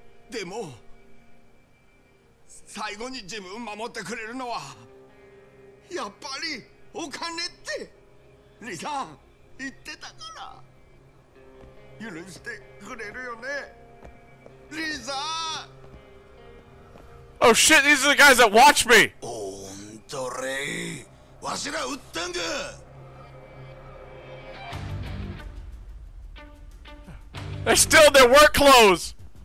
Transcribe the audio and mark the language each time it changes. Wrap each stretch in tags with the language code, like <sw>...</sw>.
<ja>でも最後に自分守ってくれるのはやっぱりお金ってリさん言ってたから。許してくれるよねリさん。</ja> <en>Oh shit, these are the guys that watch me!</en> <ja>ほんとれい、わしら撃ったんか。</ja> <en>They're still in their work clothes!</en>